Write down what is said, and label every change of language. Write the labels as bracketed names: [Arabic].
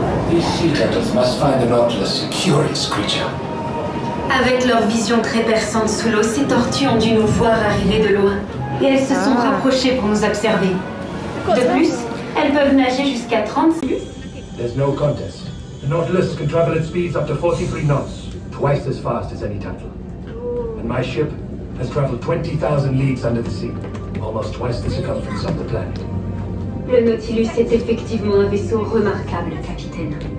[English] These sea turtles must find an Nautilus a curious creature. [French] Avec leur vision très perçante sous l'eau, ces tortues ont dû nous voir arriver de loin. Et elles se sont rapprochées pour nous observer. De plus, elles peuvent nager jusqu'à 30 minutes. [English] There's no contest. The Nautilus can travel at speeds up to 43 knots, twice as fast as any turtle. And my ship has traveled 20,000 leagues under the sea, almost twice the circumference of the planet. [French] Le Nautilus est effectivement un vaisseau remarquable, capitaine.